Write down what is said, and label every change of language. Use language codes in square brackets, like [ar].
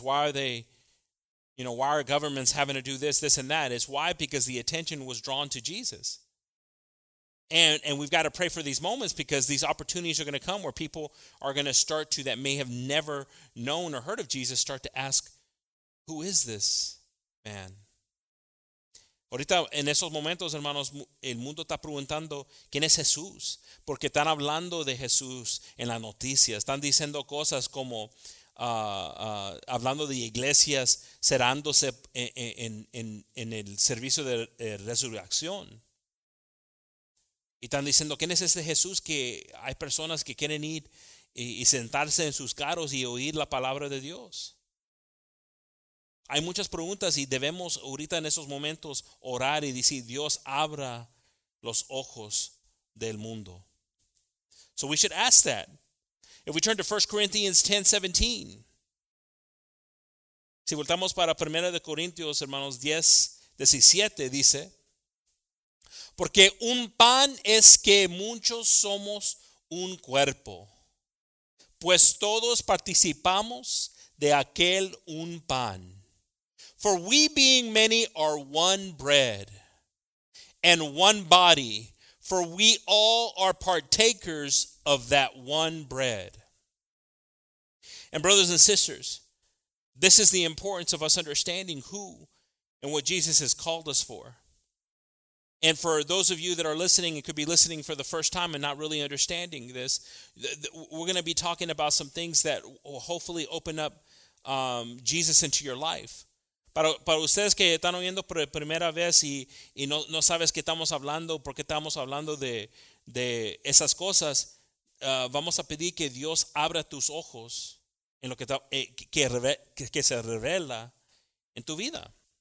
[en] Why are they, you know, why are governments having to do this, this, and that? It's why? Because the attention was drawn to Jesus. And we've got to pray for these moments, because these opportunities are going to come where people are going to start to, that may have never known or heard of Jesus, start to ask, who is this man? [es] Ahorita, en esos momentos, hermanos, el mundo está preguntando, ¿quién es Jesús? Porque están hablando de Jesús en las noticias. Están diciendo cosas como, hablando de iglesias cerrándose en el servicio de resurrección. Y están diciendo, ¿quién es este Jesús? Que hay personas que quieren ir y sentarse en sus carros y oír la palabra de Dios. Hay muchas preguntas y debemos ahorita en esos momentos orar y decir, Dios, abra los ojos del mundo. [en] So we should ask that. If we turn to 1 Corinthians 10:17. [es] Si voltamos para 1 Corintios, hermanos, 10:17, dice, porque un pan es que muchos somos un cuerpo, pues todos participamos de aquel un pan. [en] For we being many are one bread and one body, for we all are partakers of that one bread. And brothers and sisters, this is the importance of us understanding who and what Jesus has called us for. And for those of you that are listening and could be listening for the first time and not really understanding this, we're going to be talking about some things that will hopefully open up Jesus into your life. [es] Para ustedes que están oyendo por primera vez y no sabes qué estamos hablando, por qué estamos hablando de esas cosas, vamos a pedir que Dios abra tus ojos en lo que se revela en tu vida.